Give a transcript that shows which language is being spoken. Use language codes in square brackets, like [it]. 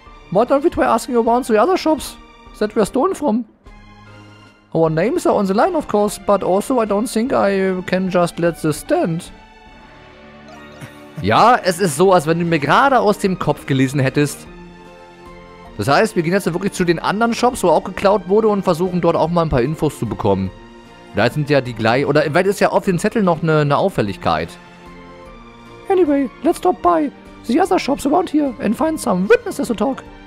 [en] Why don't we try asking around to the other shops that we are stolen from? Our names are on the line, of course, but also I don't think I can just let this stand. [de] Ja, es ist so, als wenn du mir gerade aus dem Kopf gelesen hättest. Das heißt, wir gehen jetzt wirklich zu den anderen Shops, wo auch geklaut wurde, und versuchen dort auch mal ein paar Infos zu bekommen. Da sind ja die gleich, oder vielleicht ist ja auf dem Zettel noch eine Auffälligkeit. [en] Anyway, let's stop by the other shops around here and find some witnesses to talk.